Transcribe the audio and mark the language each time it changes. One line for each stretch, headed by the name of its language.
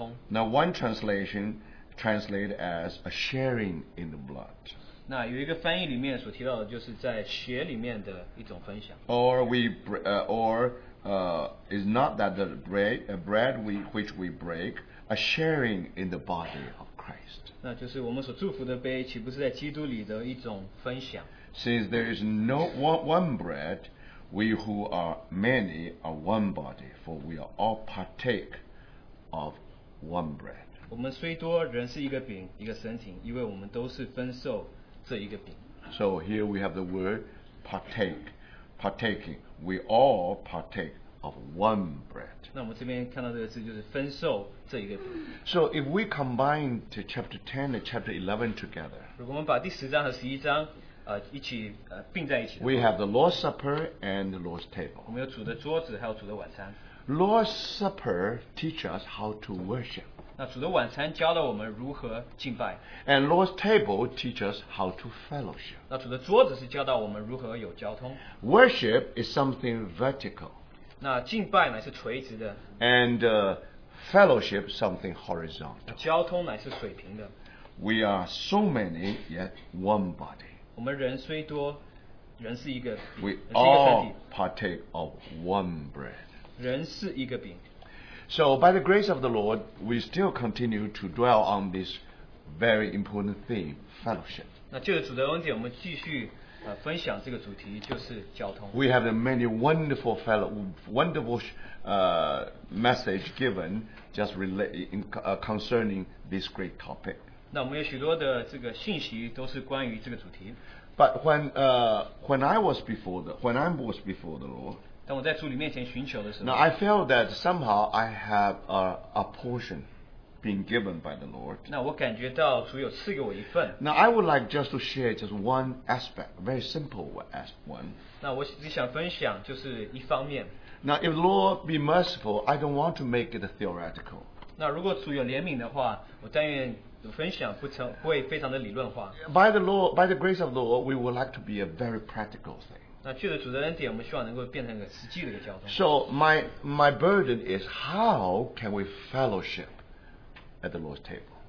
English: Now one translation translated as a sharing in the blood.
Chinese: 那有一个翻译里面所提到的就是在血里面的一种分享。
English: Is not that the bread which we break a sharing in the body of Christ?
Chinese: 那就是我们所祝福的杯，岂不是在基督里的一种分享？
English: Since there is no one bread, we who are many are one body, for we are all partake. Of one bread.
Chinese: 我们虽多，人是一个饼，一个身体，因为我们都是分受这一个饼。
English: So here we have the word partake, partaking. We all partake of one bread.
Chinese: 那我们这边看到这个字就是分受。
English: So if we combine to chapter 10 and chapter 11 together,
Chinese: 如果我们把第十章和十一章, 一起, 并在一起的话,
English: we have the Lord's Supper and the Lord's table.
Chinese: 我们有主的桌子还有主的晚餐。
English: Lord's Supper teaches us how to worship.
Chinese: 那主的晚餐教导我们如何敬拜。
English: And Lord's table teaches us how to fellowship.
Chinese: 那主的桌子是教导我们如何有交通。
English: Worship is something vertical.
Chinese: 那敬拜乃是垂直的。
English: And fellowship something horizontal.
Chinese: 交通乃是水平的。
English: We are so many yet one body.
Chinese: 我们人虽多, 人是一个,
English: we all partake of one bread.
Chinese: 人是一个饼。
English: So by the grace of the Lord, we still continue to dwell on this very important theme, fellowship.
Chinese: 那就是主的恩典, 我们继续, 分享这个主题, 就是交通。
English: We have a many wonderful message given just concerning this great topic.
Chinese: 那我们有许多的这个信息都是关于这个主题。
English: But when I was before the Lord,
Chinese: 当我在主里面前寻求的时候,
English: now I felt that somehow I have a portion being given by the Lord.
Chinese: 那我感觉到主有赐给我一份。
English: Now I would like just to share just one aspect, very simple one.
Chinese: 那我只想分享就是一方面。
English: Now if the Lord be merciful, I don't want to make it theoretical.
Chinese: 那如果主有怜悯的话, 我但愿 分享不成会非常的理论化。
English: By the grace of the Lord, we would like to be a very practical thing.
Chinese: 那去了主的恩典，我们希望能够变成一个实际的一个交通。
English: So my burden is how can we fellowship at the Lord's table?